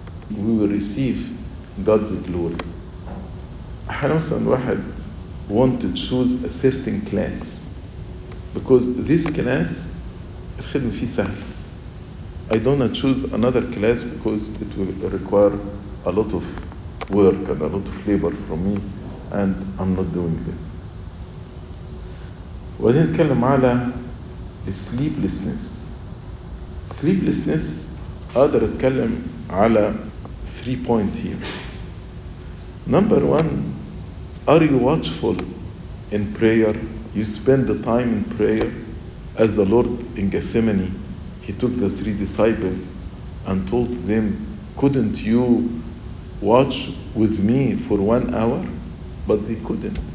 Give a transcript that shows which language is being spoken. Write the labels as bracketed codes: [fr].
[en] We will receive God's glory. Hanusan Wahid want to choose a certain class because this class, [ar] الخدمة فيه سهل. [en] I don't choose another class because it will require a lot of work and a lot of labor from me, and I'm not doing this. [ar] وبعدين نتكلم على sleeplessness. [en] Sleeplessness, [ar] أقدر أتكلم على [en] 3 points here. Number one, are you watchful in prayer? You spend the time in prayer. As the Lord in Gethsemane, he took the three disciples and told them, couldn't you watch with me for 1 hour? But they couldn't.